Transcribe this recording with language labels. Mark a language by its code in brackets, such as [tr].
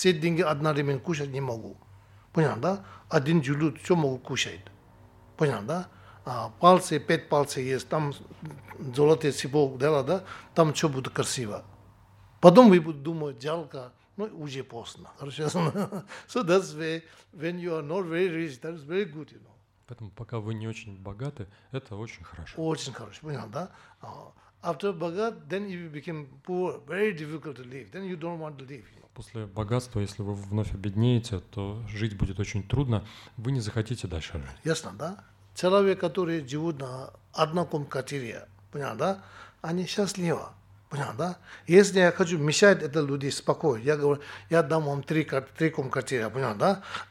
[ru] Все деньги одновременно кушать не могу. Понял, да? Один желудок, все могу кушать. Понял, да? А пальцы, 5 пальцев есть, там золотые цепок, дела, да? Там все будет красиво. Потом вы будете думать, жалко, ну, уже поздно. Хорошо? [en] So that's way, when you are not very rich, that's very good, you know. [ru] Поэтому пока вы не очень богаты, это очень хорошо. Очень хорошо, понял, да? [en] After [ru] богат, [en] then you become poor, very difficult to live, then you don't want to live. [ru] После богатства, если вы вновь обеднеете, то жить будет очень трудно, вы не захотите дальше жить. Ясно, да? Человек, который живет на одном квартире, понял, да? Они счастливы, понял, да? Если я хочу мешать этим людям спокойно, я говорю, я дам вам три квартиры, понял, да?